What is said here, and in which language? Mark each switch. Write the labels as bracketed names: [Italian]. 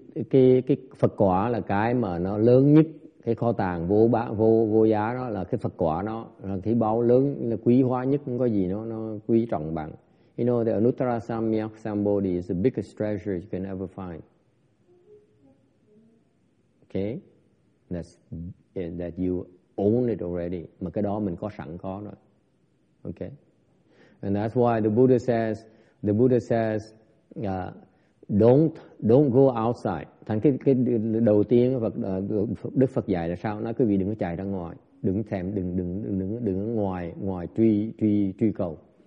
[Vietnamese] Cái Phật quả là cái mà nó lớn nhất, cái kho tàng vô giá đó, là cái Phật quả nó là cái báu lớn, là quý hóa nhất, không có gì nó quý trọng bằng. [English] You know, the Anuttara Samyak Sambodhi is the biggest treasure you can ever find. Okay? That you own it already. [Vietnamese] Mà cái đó mình có sẵn có rồi. [English] Okay? And that's why the Buddha says, don't go outside. [Vietnamese] Thành cái đầu tiên Đức Phật dạy là sao? Nói quý vị đừng có chạy ra ngoài, đừng thèm, đừng ngoài truy cầu.